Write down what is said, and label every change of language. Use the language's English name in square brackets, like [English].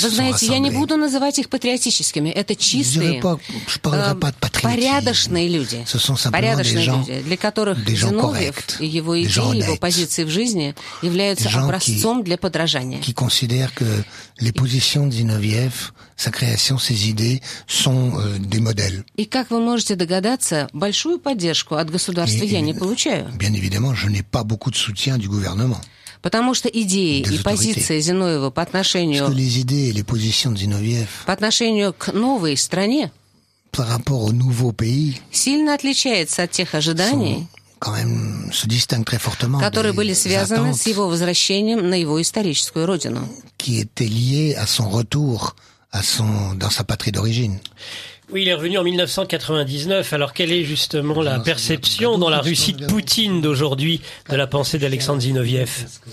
[Russian] Вы знаете, я не буду называть их патриотическими. Это чистые, порядочные люди. Порядочные люди, для которых Зиновьев и его идеи, его позиции в жизни являются образцом для подражания. [French] Qui considèrent que les positions de Зиновьев, sa création, ses idées sont des modèles. [Russian] И как вы можете догадаться, большую поддержку от государства я не получаю. [French] Bien évidemment, je n'ai pas beaucoup de soutien du gouvernement. [Russian] Потому что идеи и позиции Зиновьева по отношению к новой стране [French] par rapport au nouveau pays, [Russian] сильно отличается от тех ожиданий, [French] quand même, se distingue très fortement [Russian] которые были связаны с его возвращением на его историческую родину, [French] qui était lié à son retour dans sa patrie d'origine. Oui, il est revenu en 1999. Alors, quelle est justement la perception dans la Russie de Poutine d'aujourd'hui de la pensée d'Alexandre Zinoviev?